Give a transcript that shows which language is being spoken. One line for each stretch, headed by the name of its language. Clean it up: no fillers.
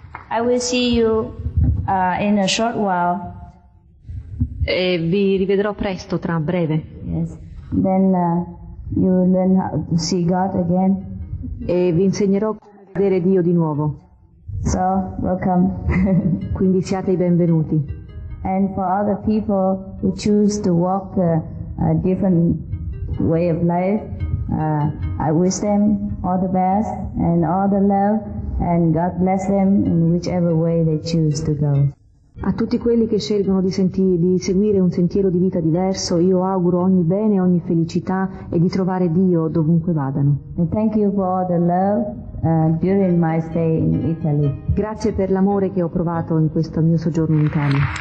English: I will see you in a short while.
Italian: E vi rivedrò presto, tra breve.
English: Yes. Then You will learn how to see God again.
Italian: E vi insegnerò come vedere Dio di nuovo.
English: So, welcome.
Italian: Quindi siate I benvenuti.
English: And for other people who choose to walk a different way of life, I wish them all the best and all the love, and God bless them in whichever way they choose to go.
Italian: A tutti quelli che scelgono di seguire un sentiero di vita diverso, io auguro ogni bene, ogni felicità e di trovare Dio dovunque vadano.
English: And thank you for all the love during my stay in Italy.
Italian: Grazie per l'amore che ho provato in questo mio soggiorno in Italia.